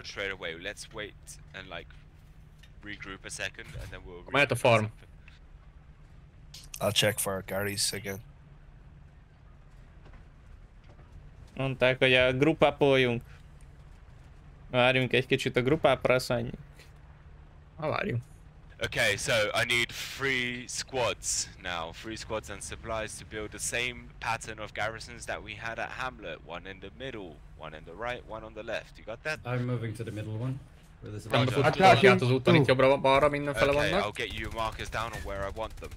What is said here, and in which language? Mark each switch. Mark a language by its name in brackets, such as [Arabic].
[English] Let's wait and like regroup a second and then we'll [Hungarian] mehet a farm. [English] I'll check for Garry's again. [Hungarian] Mondták, hogy a group up-oljunk. Várjunk egy kicsit a group up-ra, szálljunk. Ha várjunk. [English] Okay, so I need three squads now. Three squads and supplies to build the same pattern of garrisons that we had at Hamlet. One in the middle, one in the right, one on the left. You got that? I'm moving to the middle one. I'll get you markers down on where I want them.